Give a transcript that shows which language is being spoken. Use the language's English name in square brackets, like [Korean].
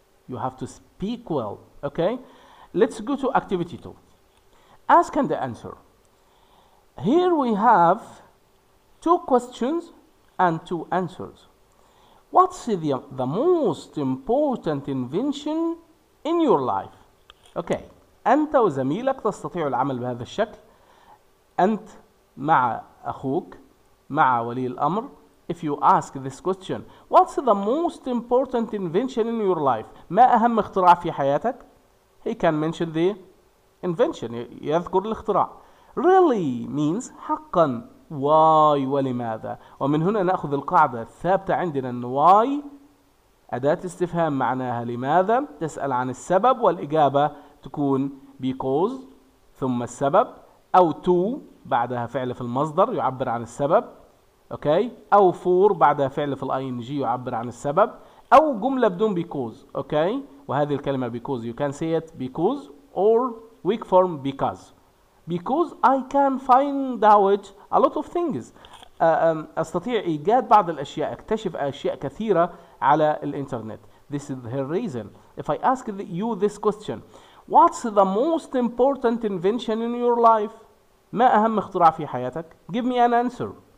[English] You have to speak well. Okay, let's go to activity 2. Ask and answer. Here we have two questions and two answers. What's the most important invention in your life? [Arabic] أوكي، أنت وزميلك تستطيع العمل بهذا الشكل. أنت مع أخوك، مع ولي الأمر. [English] If you ask this question, what's the most important invention in your life? [Arabic] ما أهم اختراع في حياتك؟ [English] He can mention the invention. [Arabic] يذكر الاختراع. [English] Really means [Arabic] حقا. Why ولماذا؟ ومن هنا نأخذ القاعدة الثابتة عندنا أن why أداة استفهام معناها لماذا، تسأل عن السبب والإجابة تكون because ثم السبب، أو to بعدها فعل في المصدر يعبر عن السبب. أوكي. أو for بعدها فعل في الـING يعبر عن السبب، أو جملة بدون because. أوكي. وهذه الكلمة [English] because you can say it because or weak form because. Because I can find out a lot of things. [Arabic] أستطيع إيجاد بعض الأشياء، أكتشف أشياء كثيرة على الإنترنت. [English] This is her reason. If I ask you this question, what's the most important invention in your life? [Arabic] ما أهم اختراع في حياتك؟ [English] Give me an answer.